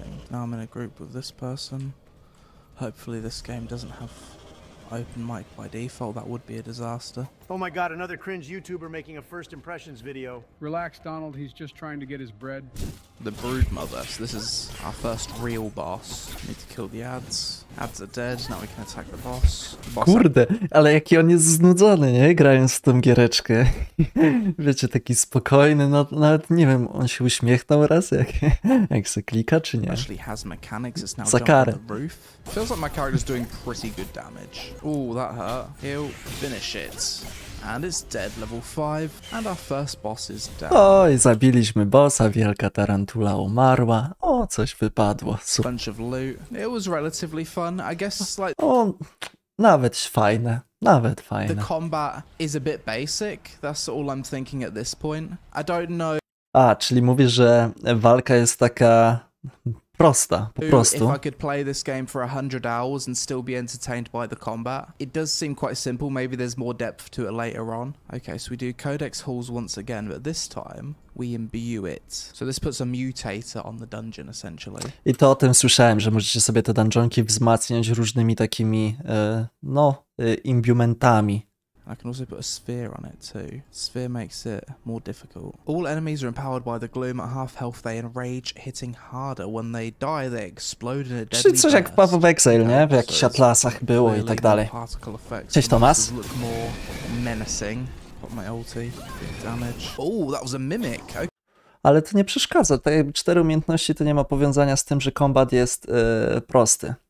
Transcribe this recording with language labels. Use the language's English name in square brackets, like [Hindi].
[English] Now I'm in a group with this person. Hopefully this game doesn't have open mic by default. That would be a disaster. Oh my god, another cringe YouTuber making a first impressions video. Relax, Donald. He's just trying to get his bread. The Broodmother. So this is our first real boss. We need to kill the ads. Ads are dead. Now we can attack the boss. [Polish] Kurde, ale jaki on jest znudzony, nie? Grając w tą giereczkę. Wiecie, taki spokojny. No, nawet nie wiem, on się uśmiechnął raz, jak se klika, czy nie? [English] Actually has mechanics. It's now jumping on the roof. Feels like my character's doing pretty good damage. Ooh, that hurt. Ew. Finish it. and it's dead level 5, and our first boss is down. [Polish] Oj, zabiliśmy bossa, wielka tarantula umarła. O, coś wypadło, super. [English] Bunch of loot. It was relatively fun, I guess, like... [Polish] O, nawet fajne. Nawet fajne. [English] The combat is a bit basic, that's all I'm thinking at this point. I don't know... [Polish] A, czyli mówisz, że walka jest taka... prosta, po prostu. [English] If I could play this game for 100 hours and still be entertained by the combat, it does seem quite simple. Maybe there's more depth to it later on. Okay, so we do Codex Halls once again, but this time we imbue it. So this puts a mutator on the dungeon, essentially. [Polish] I to o tym słyszałem, że możecie sobie te dungeonki wzmacniać różnymi takimi, no, imbumentami. [English] I can also put a sphere on it too. Sphere makes it more difficult. All enemies are empowered by the gloom. At half health, they enrage, hitting harder. When they die, they explode in a deadly burst. [Polish] Czy coś jak w Path of Exile, nie? W jakichś atlasach było i tak dalej. Cześć, Thomas. [English] Look more menacing. Pop my ulti. Damage. Ooh, that was a mimic. Okay. [Polish] Ale to nie przeszkadza. Te cztery umiejętności to nie ma powiązania z tym, że combat jest prosty.